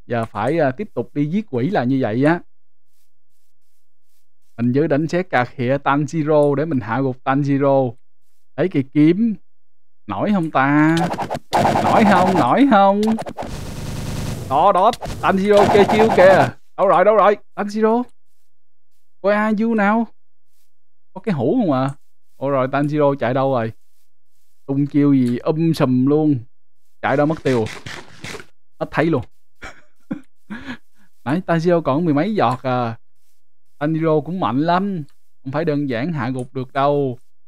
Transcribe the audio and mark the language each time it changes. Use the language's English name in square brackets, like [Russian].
[Vietnamese] Giờ phải tiếp tục đi giết quỷ là như vậy á. Mình giữ đánh xét cà khịa Tanjiro để mình hạ gục Tanjiro. Lấy cây kiếm. Nổi không ta? Nổi không? Nổi không? Đó đó, Tanjiro kê chiêu kìa. Đâu rồi, đâu rồi? [English] Tanjiro, where are you now? [Vietnamese] Có cái hũ không ạ? Ủa rồi, Tanjiro chạy đâu rồi? Tung chiêu gì sùm luôn. Chạy đâu mất tiêu. Mất thấy luôn. Nãy Tanjiro còn mười mấy giọt à. Tanjiro cũng mạnh lắm, không phải đơn giản hạ gục được đâu.